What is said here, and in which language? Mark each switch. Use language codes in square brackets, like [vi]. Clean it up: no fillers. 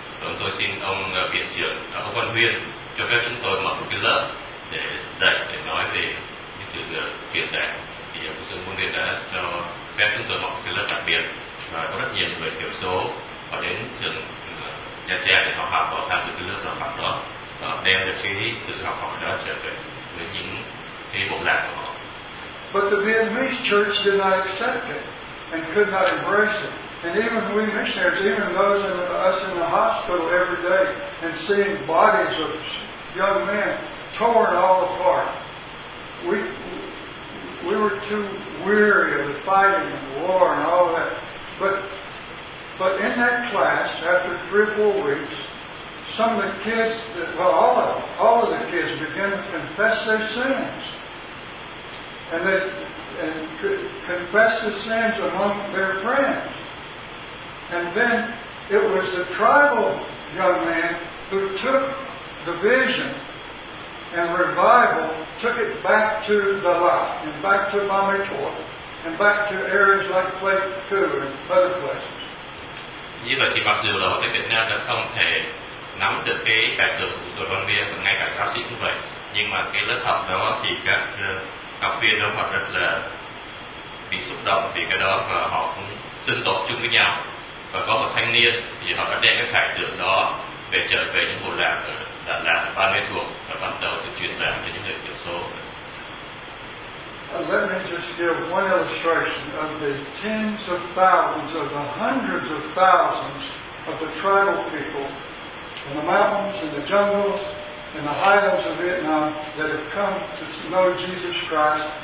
[vi] Và ông tôi xin ông viện trưởng, ông Văn Huyên, cho phép chúng tôi mở một cái lớp để dạy, để nói về cái sự truyền đạt. Thì ông Dương Quân Điện đã cho phép chúng tôi mở cái lớp đặc biệt, và có rất nhiều người thiểu số họ đến trường Nha Trang để họ học và tham dự cái lớp học đó, và đem được cái sự học hỏi đó trở về với những cái bộ lạc của họ. [en] But the Vietnamese church did not accept it and could not embrace it. And even we missionaries, even those of us in the hospital every day and seeing bodies of young men torn all apart, we were too weary of the fighting and the war and all that. But in that class, after 3 or 4 weeks, some of the kids, all of the kids began to confess their sins. And they confessed the sins among their friends. And then it was the tribal young man who took the vision and revival, took it back to the lot, and back to Bami Tor, and back to areas like Pleiku and other places. [vi] Như vậy thì mặc dù là Hội Thánh Việt Nam đã không thể nắm được cái khải tượng của Chúa Văn Viên, và ngay cả giáo sĩ cũng vậy, nhưng mà cái lớp học đó thì các học viên đó họ rất là bị xúc động vì cái đó, và họ cũng xưng tội chung với nhau. Và có một thanh niên thì họ đã đem cái khải tượng đó về trở về những bộ lạc ở Đà Lạt, Ba Mê Thuộc, và bắt đầu sự chuyển giảng cho những người thiểu số. [en] Let me just give one illustration of the tens of thousands, of the hundreds of thousands of the tribal people in the mountains, in the jungles, in the highlands of Vietnam that have come to know Jesus Christ.